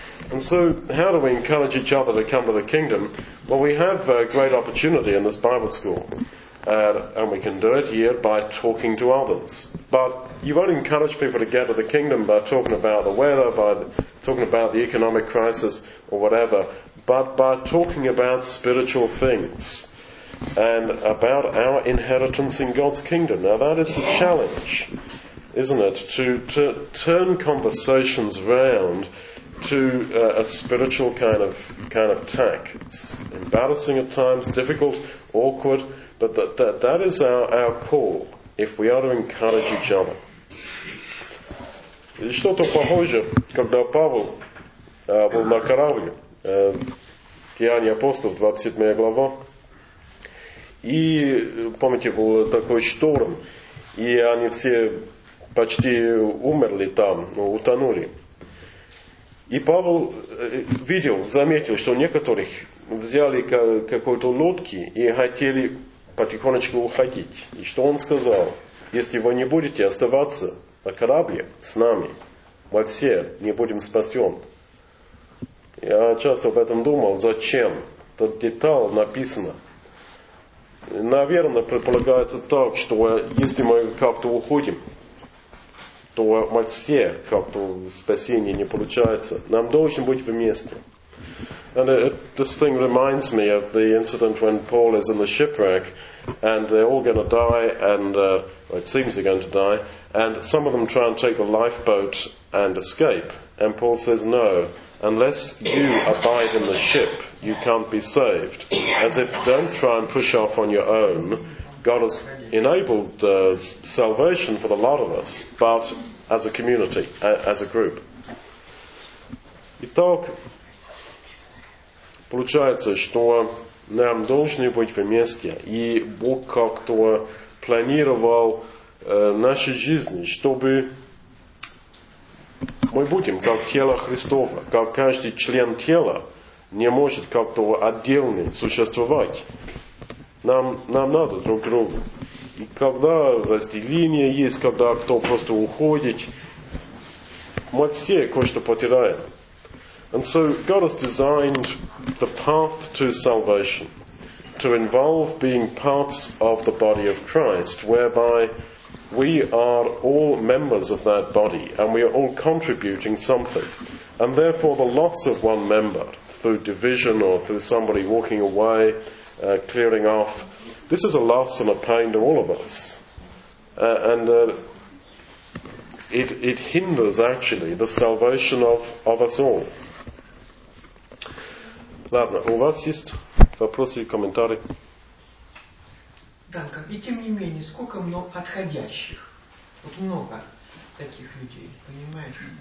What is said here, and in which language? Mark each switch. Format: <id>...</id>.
<en>And so, how do we encourage each other to come to the kingdom? Well, we have a great opportunity in this Bible school, and we can do it here by talking to others. But you won't encourage people to get to the kingdom by talking about the weather, by talking about the economic crisis or whatever, but by talking about spiritual things and about our inheritance in God's kingdom. Now that is the challenge, isn't it, to turn conversations round to a spiritual kind of tack. It's embarrassing at times, difficult, awkward, but that is our call if we are to encourage each other.</en> <ru>И что-то похожее, когда Павел был на корабле, Деяния апостолов, 27 глава. И, помните, был такой шторм, и они все почти умерли там, утонули. И Павел заметил, что некоторых взяли какую-то лодку и хотели потихонечку уходить. И что он сказал? Если вы не будете оставаться на корабле с нами, мы все не будем спасен. Я часто об этом думал, зачем? Тот деталь написано. Наверное, предполагается так, что если мы как-то уходим, то мы все как-то спасение не получается. Нам должен быть вместе.</ru> <en>And this thing reminds me of the incident when Paul is in the shipwreck and they're all going to die, and it seems they're going to die, and some of them try and take the lifeboat and escape. And Paul says, no, unless you abide in the ship, you can't be saved. As if, don't try and push off on your own. God has enabled salvation for the lot of us, but as a community, as a group.</en> <ru>Итак, получается, что нам должны быть вместе, и Бог как-то планировал наши жизни, чтобы мы будем как тело Христово, как каждый член тела не может как-то отдельно существовать. Нам надо друг друга. И когда разделение есть, когда кто просто уходит, мы все кое-что потеряем.</ru> <en>And so God has designed the path to salvation to involve being parts of the body of Christ, whereby we are all members of that body and we are all contributing something. And therefore the loss of one member through division or through somebody walking away, clearing off, this is a loss and a pain to all of us. It hinders actually the salvation of us all.</en> <ru>Ладно, у вас есть вопросы или комментарии? Данка, и тем не менее, сколько много отходящих? Вот много таких людей, понимаешь?</ru>